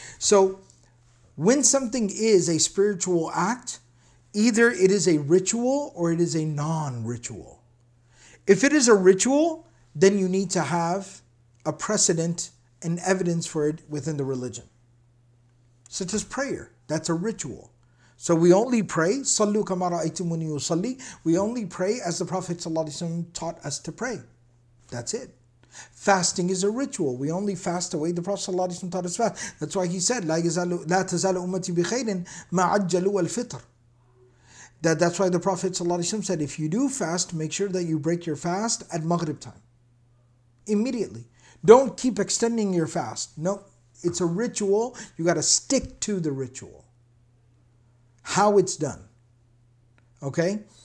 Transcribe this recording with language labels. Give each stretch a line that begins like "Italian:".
English: So when something is a spiritual act, either it is a ritual or it is a non-ritual. If it is a ritual, then you need to have a precedent and evidence for it within the religion. Such as prayer, that's a ritual. So we only pray,
Arabic: صَلُّوا كَمَا رَأَيْتُمْ وَنِيُّ صَلِّي.
English: We only pray as the Prophet ﷺ taught us to pray. That's it. Fasting is a ritual. We only fast the way the Prophet ﷺ taught us fast. That's why he said,
Arabic: لَا تَزَالُ أُمَّتِي بِخَيْرٍ مَا عَجَّلُوا الْفِطْرِ.
English: That's why the Prophet ﷺ said, if you do fast, make sure that you break your fast at Maghrib time. Immediately. Don't keep extending your fast. No, it's a ritual. You got to stick to the ritual. How it's done, okay?